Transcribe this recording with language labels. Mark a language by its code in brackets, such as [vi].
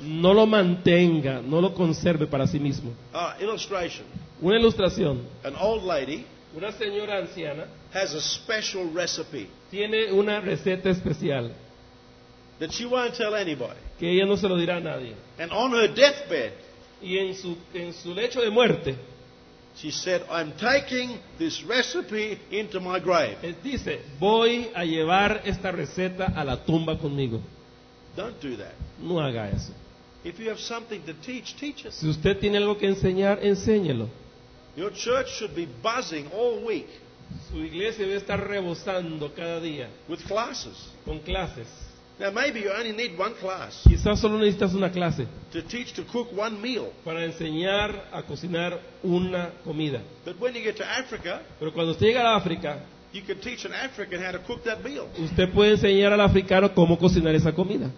[es] No lo mantenga, no lo conserve para sí mismo. [en] Illustration. [es] Una ilustración. [en] An old lady, [es] una señora anciana, [en] has a special recipe. [es] Tiene una receta especial. [en] That she won't tell anybody. [es] Que ella no se lo dirá a nadie. [en] And on her deathbed, [es] y en su lecho de muerte, [en] she said, "I'm taking this recipe into my grave." [es] Dice, voy a llevar esta receta a la tumba conmigo. [en] Don't do that. [es] No haga eso. [en] If you have something to teach, teach it. [es] Si usted tiene algo que enseñar, enséñelo. [en] Your church should be buzzing all week. [es] Su iglesia debe estar rebosando cada día. [en] With classes. [es] Con clases. [en] Now maybe you only need one class. [es] Quizás solo necesitas una clase. [en] To teach to cook one meal. [es] Para enseñar a cocinar una comida. [en] But when you get to Africa, [es] pero cuando usted llega a África, [en] you can teach an African how to cook that meal. [es] Usted puede enseñar al africano cómo cocinar esa comida.